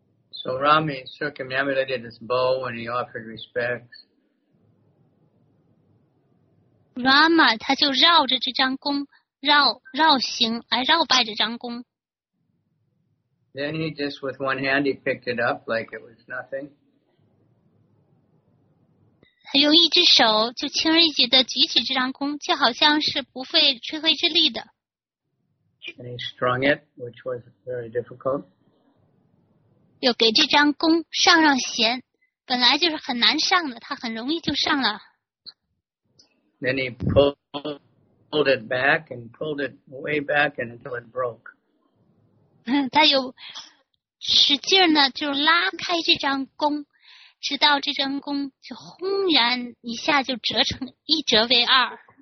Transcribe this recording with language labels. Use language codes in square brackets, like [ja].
[en] So Rami circumambulated his bow and he offered respects. [zh] Rama 他就绕着这张弓绕行来绕拜这张弓。 [en] Then he just with one hand he picked it up like it was nothing. [zh] 他用一只手就轻而易举地举起这张弓，就好像是不费吹灰之力的。 [en] And he strung it, which was very difficult. [zh] 又给这张弓上弦，本来就是很难上的，他很容易就上了。 [en] Then he pulled it back and pulled it way back and until it broke. [zh] 他又使劲呢，就拉开这张弓。直到这张弓就轰然一下就折成一折为二。